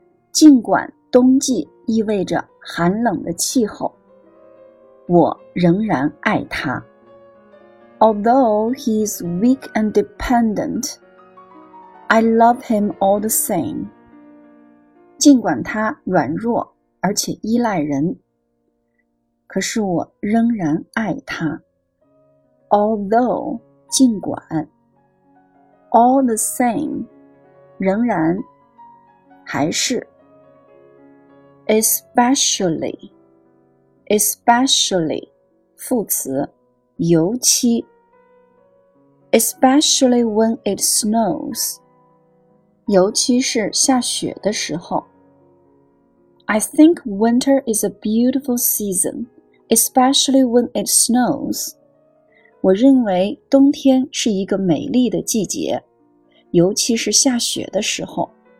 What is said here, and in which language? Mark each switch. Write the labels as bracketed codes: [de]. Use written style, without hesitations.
[zh] 尽管冬季意味着寒冷的气候，我仍然爱它。 [en] Although he is weak and dependent, I love him all the same. [zh] 尽管他软弱而且依赖人，可是我仍然爱他。 [en] Although, [zh] 尽管。 [en] All the same, [zh] 仍然，还是。 [en] Especially, especially, [zh] 副词，尤其。 [en] Especially when it snows, [zh] 尤其是下雪的时候。 [en] I think winter is a beautiful season, especially when it snows. [zh] 我认为冬天是一个美丽的季节，尤其是下雪的时候。